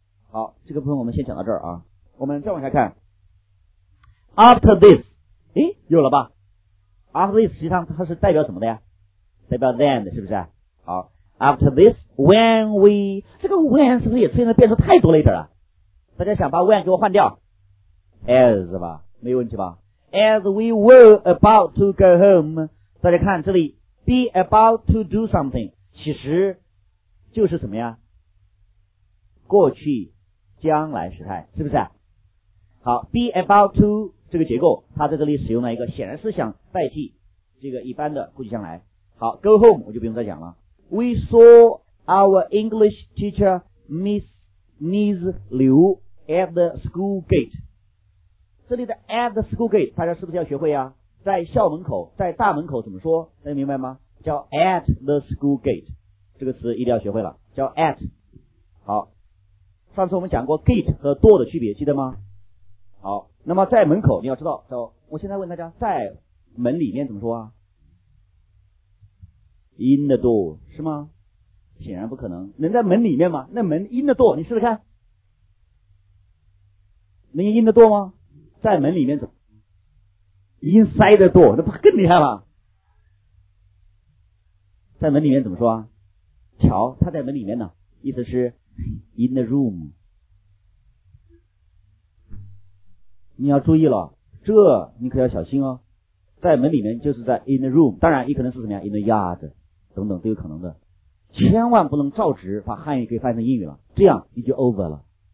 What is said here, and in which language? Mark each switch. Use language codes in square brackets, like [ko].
[zh] 好，这个部分我们先讲到这儿啊，我们再往下看。 [en] after this， [zh] 诶有了吧？ after this 实际上它是代表什么的呀？代表 then， 是不是？好， [en] after this when we， [zh] 这个 when 是不是也出现的变数太多了一点啊？大家想把 when 给我换掉 as 吧，没问题吧？ [en] as we were about to go home， [zh] 大家看这里 [en] be about to do something， [zh] 其实就是什么呀？过去将来时态，是不是？好， be about to 这个结构它在这里使用了一个显然是想代替这个一般的过去将来。好， go home 我就不用再讲了。 [en] we saw our English teacher Miss Liu at the school gate， [zh] 这里的 [en] at the school gate [zh] 大家是不是要学会啊？在校门口，在大门口怎么说？大家明白吗？叫 [en] at the school gate， [zh] 这个词一定要学会了，叫 at。好，上次我们讲过 gate 和 door 的区别，记得吗？好，那么在门口你要知道，我现在问大家在门里面怎么说啊？ [en] in the door [zh] 是吗？显然不可能，能在门里面吗？那门 [en] in the door [zh] 你试试看，能 in the door 吗？在门里面怎么 [en] inside the door， [zh] 那不更厉害了？在门里面怎么说啊？瞧他在门里面呢，意思是 [en] in the room。 [zh] 你要注意了，这你可要小心哦，在门里面就是在 [en] in the room， [zh] 当然也可能是什么呀 [en] in the yard [zh] 等等都有可能的，千万不能照直把汉语给翻译成英语了，这样你就 over 了。